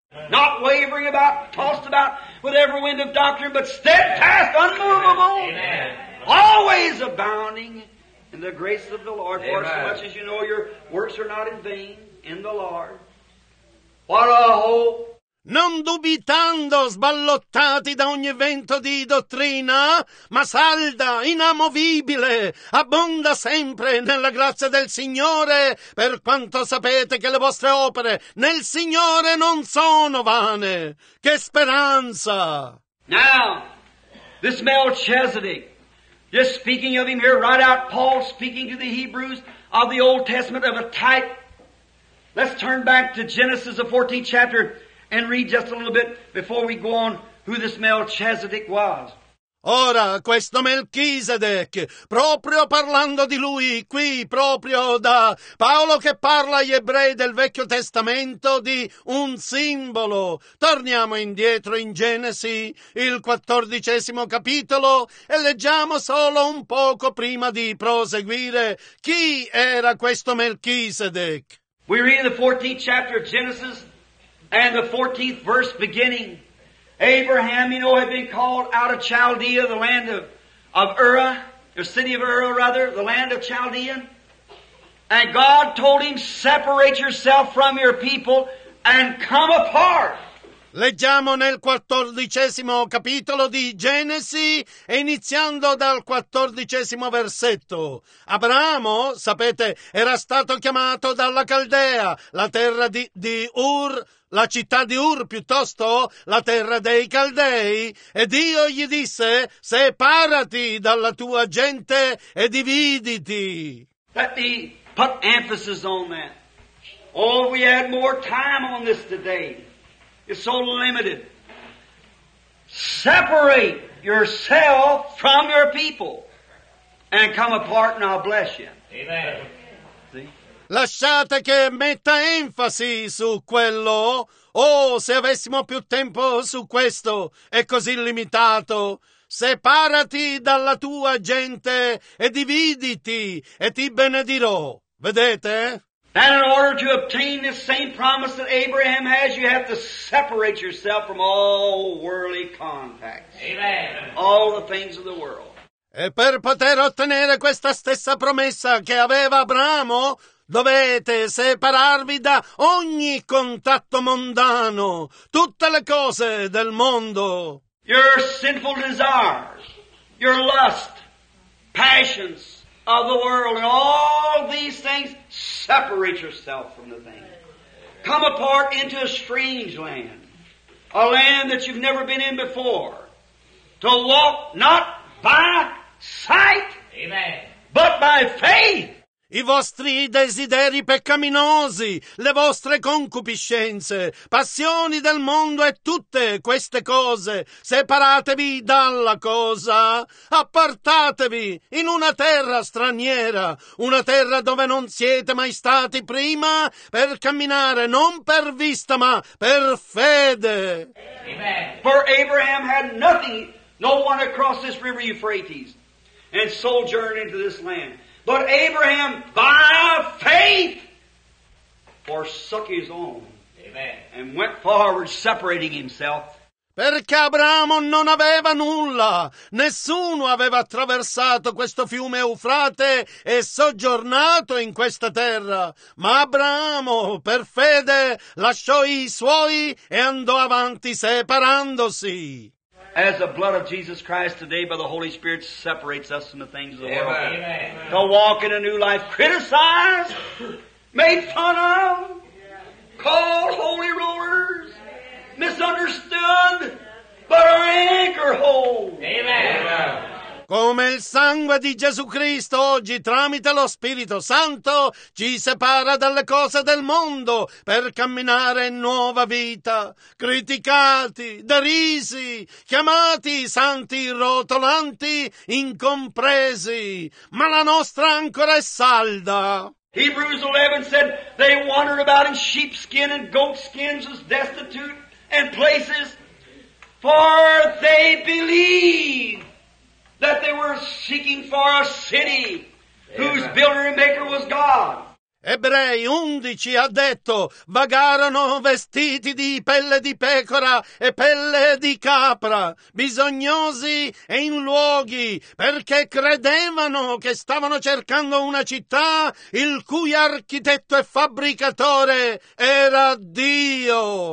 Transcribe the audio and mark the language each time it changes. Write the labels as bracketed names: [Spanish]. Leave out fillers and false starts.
[English] Not wavering about, tossed about with every wind of doctrine, but steadfast, unmovable, always abounding in the grace of the Lord. For so much as you know your works are not in vain in the Lord. What a hope. [Italian] Non dubitando, sballottati da ogni vento di dottrina, ma salda, inamovibile, abbonda sempre nella grazia del Signore, per quanto sapete che le vostre opere nel Signore non sono vane. Che speranza! [English] Now, this Melchizedek, just speaking of him here, right out Paul speaking to the Hebrews of the Old Testament of a type. Let's turn back to Genesis, the 14th chapter, and read just a little bit before we go on who this Melchizedek was. [Italian] Ora, questo Melchizedek, proprio parlando di lui, qui, proprio da Paolo che parla agli ebrei del Vecchio Testamento di un simbolo. Torniamo indietro in Genesi, il 14° capitolo, e leggiamo solo un poco prima di proseguire chi era questo Melchizedek. [English] We read in the 14th chapter of Genesis and the 14th verse beginning. Abraham, you know, had been called out of Chaldea, the land of Ur, the city of Ur, rather, the land of Chaldea. And God told him, separate yourself from your people and come apart [Italian] Leggiamo nel 14° capitolo di Genesi, iniziando dal 14° versetto. Abramo, sapete, era stato chiamato dalla Caldea, la terra di Ur, la città di Ur, piuttosto la terra dei Caldei, e Dio gli disse: separati dalla tua gente e dividiti. [English] But he put emphasis on that. Oh, we had more time on this today. It's so limited. Separate yourself from your people and come apart and I'll bless you. Amen. [Italian] Lasciate che metta enfasi su quello. Oh, se avessimo più tempo su questo, è così limitato. Separati dalla tua gente e dividiti e ti benedirò. Vedete? [English] And in order to obtain this same promise that Abraham has, you have to separate yourself from all worldly contacts. Amen. All the things of the world. [Italian] E per poter ottenere questa stessa promessa che aveva Abramo, dovete separarvi da ogni contatto mondano, tutte le cose del mondo. [English] Your sinful desires, your lust, passions of the world, and all these things, separate yourself from the thing. Come apart into a strange land, a land that you've never been in before, to walk not by sight, amen, but by faith. [Italian] I vostri desideri peccaminosi, le vostre concupiscenze, passioni del mondo e tutte queste cose, separatevi dalla cosa, appartatevi in una terra straniera, una terra dove non siete mai stati prima, per camminare non per vista ma per fede. [English] Amen. For Abraham had nothing, no one across this river Euphrates, and sojourned into this land. But Abraham, by faith, forsook his own. Amen. And went forward, separating himself. [Italian] Perché Abramo non aveva nulla, nessuno aveva attraversato questo fiume Eufrate e soggiornato in questa terra, ma Abramo per fede lasciò i suoi e andò avanti separandosi. [English] As the blood of Jesus Christ today by the Holy Spirit separates us from the things of the Amen. World. Amen. To walk in a new life, criticized, made fun of, called holy rulers, misunderstood, but our anchor holds. Amen. [Italian] Come il sangue di Gesù Cristo oggi tramite lo Spirito Santo ci separa dalle cose del mondo per camminare in nuova vita. Criticati, derisi, chiamati santi rotolanti, incompresi, ma la nostra ancora è salda. [English] Hebrews 11 said they wandered about in sheepskin and goatskins as destitute and places, for they believed that they were seeking for a city whose builder and maker was God. [Italian] Ebrei 11 ha detto, vagarono vestiti di pelle di pecora e pelle di capra, bisognosi e in luoghi, perché credevano che stavano cercando una città il cui architetto e fabbricatore era Dio.